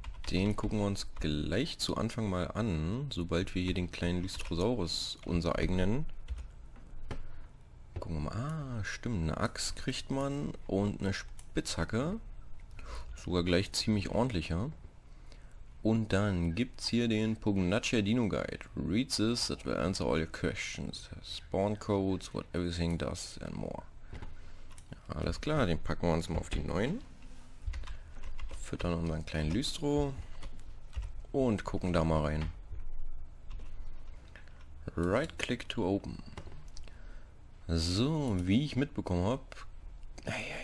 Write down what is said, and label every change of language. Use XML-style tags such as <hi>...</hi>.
<de>Den gucken wir uns gleich zu Anfang mal an, sobald wir hier den kleinen Lystrosaurus unser eigen nennen. Gucken wir mal. Ah, stimmt. Eine Axt kriegt man und eine Spitzhacke. Sogar gleich ziemlich ordentlicher. Und dann gibt es hier den Pugnacia Dino Guide.</de> <en>Read this, that will answer all your questions. Spawn codes, what everything does and more.</en> <de>Ja, alles klar, den packen wir uns mal auf die 9. Füttern unseren kleinen Lystro. Und gucken da mal rein.</de> <en>Right click to open.</en> <de>So, wie ich mitbekommen habe.</de>